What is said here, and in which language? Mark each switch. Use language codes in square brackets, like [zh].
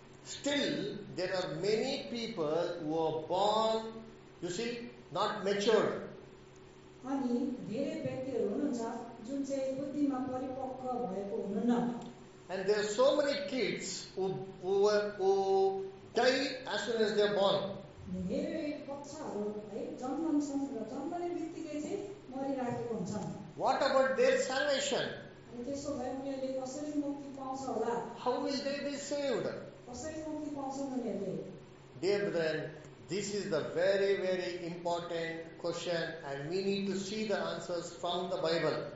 [en] Still, there are many people who are born, you see, not matured. [ne] अनि धेरै व्यक्तिहरू हुनुहुन्छ जुन चाहिँ बुद्धिमा परिपक्व भएको हुनुहुन्न। [en] And there are so many kids who die as soon as they are born. [ne] धेरै बच्चाहरू है जन्मन्छन् र जन्मने बित्तिकै चाहिँ मरिराखेको हुन्छ। [en] What about their salvation? [ne] त्यसो भए उनीहरूले कसरी मुक्ति पाउँछ होला? [en] How will they be saved? [ne] कसरी मुक्ति पाउँछन् उनीहरूले? [en] Dear brethren, this is the very, very important question, and we need to see the answers from the Bible.